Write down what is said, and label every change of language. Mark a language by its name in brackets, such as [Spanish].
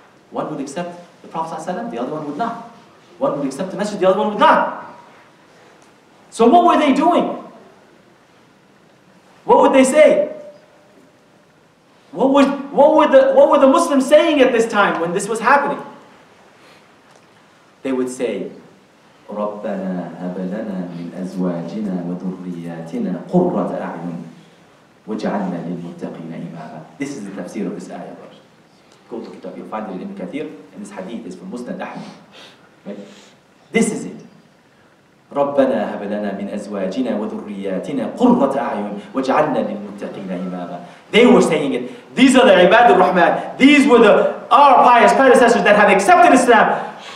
[English] One would accept the Prophet ﷺ, the other one would not. One would accept the message, the other one would not. So what were they doing? What would they say? What were the Muslims saying at this time when this was happening? They would say, [Arabic] رَبَّنَا هَبْ لَنَا مِنْ أَزْوَاجِنَا وَذُرِّيَّاتِنَا قُرَّةَ أَعْيُنٍ وَاجْعَلْنَا لِلْمُتَّقِينَ إِمَامًا. [English] This is the tafsir of this ayah, brothers. Go look it up, you'll find it in Ibn Kathir, and this hadith is from Musnad Ahmad. Right? This is it. [Arabic] رَبَّنَا هَبْ لَنَا مِنْ أَزْوَاجِنَا وَذُرِّيَّاتِنَا قُرَّةَ أَعْيُنٍ وَاجْعَلْنَا لِلْمُتَّقِينَ إِمَامًا. [English] They were saying it. These are the ibad al-Rahman. These were our pious predecessors that have accepted Islam.